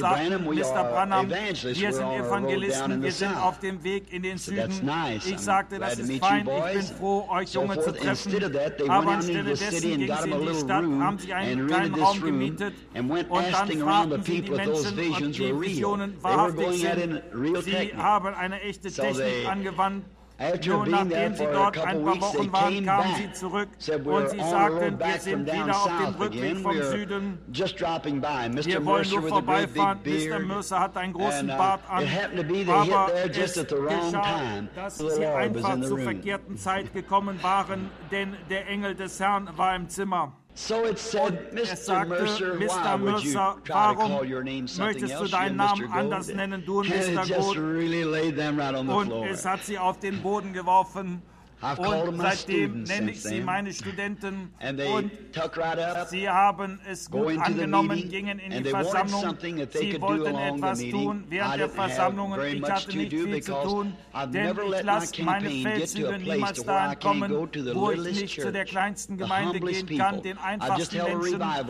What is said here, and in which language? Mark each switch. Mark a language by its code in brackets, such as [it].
[en] Branham, we are evangelists. We're all down in the south. I said, that's nice. I'm glad to meet you boys. And so forth. Instead of that, they went out into the city and got them a little room and rented this room and went asking around the people if those visions were real. They were going out in [de] Sie haben eine echte Technik angewandt. Nachdem sie dort ein paar Wochen waren, kamen sie zurück und sie sagten, wir sind wieder auf dem Rückweg vom Süden. Wir wollen nur vorbeifahren. Mr. Mercer hat einen großen Bart an. Aber es geschah, dass sie einfach zur verkehrten Zeit gekommen waren, denn der Engel des Herrn war im Zimmer. [en] So it said, Mr. Mercer, why would you try to call your name something else, you and Mr. Gold? And it just really laid them right on the floor. [de] Und es hat sie auf den Boden geworfen. [en] I've called them my students since then. And they tuck right up, [de] sie haben es gut go angenommen, gingen in [en] and [de] die Versammlung. Sie wollten etwas tun während der Versammlungen. Ich hatte nicht viel zu tun, denn ich lasse meine Feldzüge niemals dahin kommen, wo ich nicht zu der kleinsten Gemeinde gehen kann, den einfachsten Menschen.